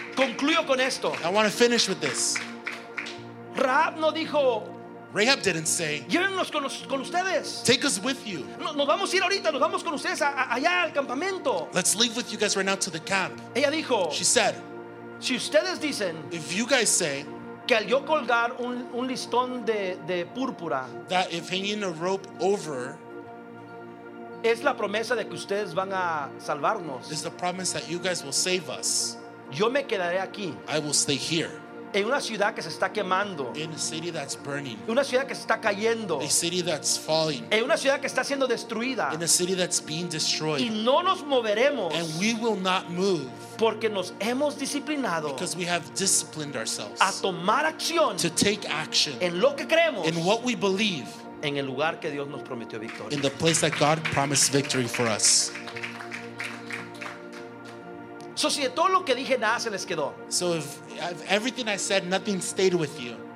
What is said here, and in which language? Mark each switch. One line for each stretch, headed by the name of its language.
Spanish: Concluyo con esto.
English: I want to finish with this.
Spanish: Rahab no dijo.
English: Rahab didn't say,
Spanish: llévenos con ustedes.
English: Take us with you.
Spanish: Nos vamos a ir ahorita, nos vamos con ustedes allá al campamento.
English: Let's leave with you guys right now to the camp.
Spanish: Ella dijo,
English: she said,
Spanish: si ustedes dicen,
English: if you guys say,
Spanish: que al yo colgar un listón de púrpura,
English: that if hanging a rope over,
Spanish: es la promesa de que ustedes van a salvarnos.
English: Is the promise that you guys will save us.
Spanish: Yo me quedaré aquí.
English: I will stay here.
Spanish: En una ciudad que se está quemando.
English: In a city that's burning.
Spanish: Una ciudad que se está cayendo.
English: A city that's falling.
Spanish: En una ciudad que está siendo destruida.
English: In a city that's being destroyed.
Spanish: Y no nos moveremos.
English: And we will not move.
Spanish: Porque nos hemos disciplinado.
English: Because we have disciplined ourselves.
Spanish: A tomar acción.
English: To take action.
Spanish: En lo que creemos.
English: In what we believe.
Spanish: En el lugar que Dios nos prometió victoria.
English: In the place that God promised victory for us.
Spanish: So, si de todo lo que dije nada se les quedó.
English: So if everything I said, nothing stayed with you.